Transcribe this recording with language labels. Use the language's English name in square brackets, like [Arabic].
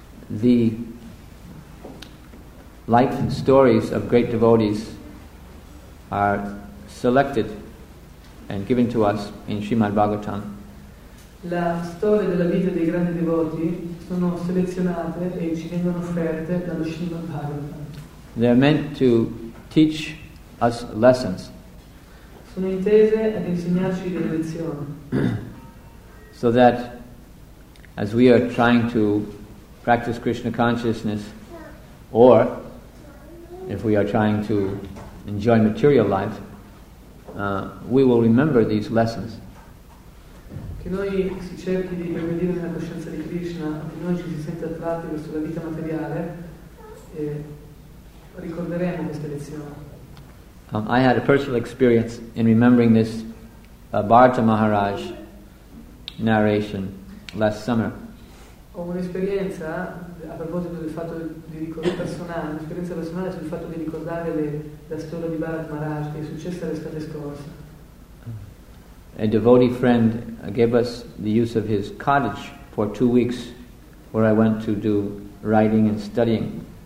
[English] The life and stories of great devotees are selected and given to us in Srimad Bhagavatam. [Italian] La storia della vita dei grandi devoti sono selezionate e ci vengono offerte dallo Srimad Bhagavatam. [English] They are meant to teach us lessons. [Italian] Sono intese ad insegnarci le lezioni. [English] So that as we are trying to practice Krishna consciousness, or if we are trying to enjoy material life, we will remember these lessons. [Italian] Che noi si cerchi di progredire nella coscienza di Krishna, che noi ci si sente attratti verso la vita materiale, ricorderemo questa lezione. [English] I had a personal experience in remembering this Bharata Maharaj narration last summer. [Italian] Ho un'esperienza a proposito del fatto di ricordare personale, un'esperienza personale sul fatto di ricordare la storia di Bharata Maharaj che è successa l'estate scorsa. [English] A devotee friend gave us the use of his cottage for 2 weeks where I went to do writing and studying.